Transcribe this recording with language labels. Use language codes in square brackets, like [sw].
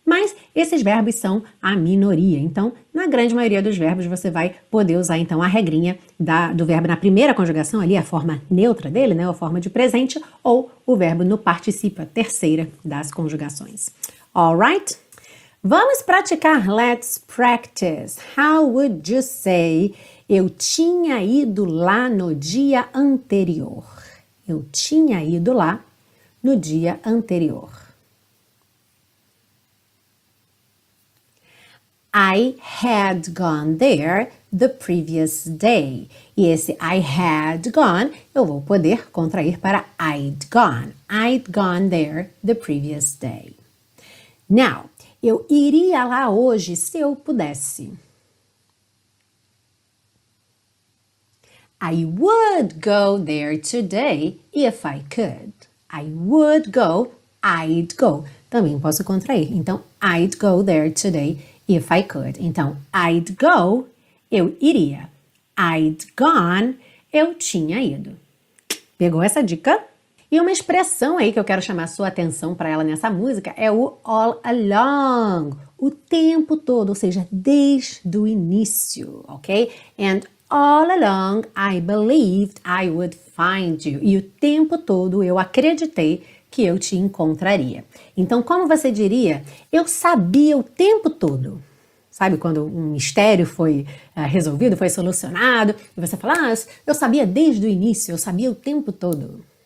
[pt] Mas esses verbos são a minoria, então, na grande maioria dos verbos, você vai poder usar, então, a regrinha do verbo na primeira conjugação ali, a forma neutra dele, né, a forma de presente, ou o verbo no particípio, a terceira das conjugações. All right? Vamos praticar, let's practice. How would you say eu tinha ido lá no dia anterior? Eu tinha ido lá no dia anterior. [en] I had gone there the previous day. [pt] E esse I had gone, eu vou poder contrair para I'd gone. [en] I'd gone there the previous day. [pt] Now, eu iria lá hoje se eu pudesse. [en] I would go there today if I could. I would go, I'd go. Também posso contrair. Então, I'd go there today if I could. [pt] Então, I'd go, eu iria. I'd gone, eu tinha ido. Pegou essa dica? E uma expressão aí que eu quero chamar sua atenção para ela nessa música é o all along, o tempo todo, ou seja, desde o início, ok? [en] And all along I believed I would find you. [pt] E o tempo todo eu acreditei que eu te encontraria. Então, como você diria, eu sabia o tempo todo. Sabe quando um mistério foi resolvido, foi solucionado, e você fala, ah, eu sabia desde o início, eu sabia o tempo todo.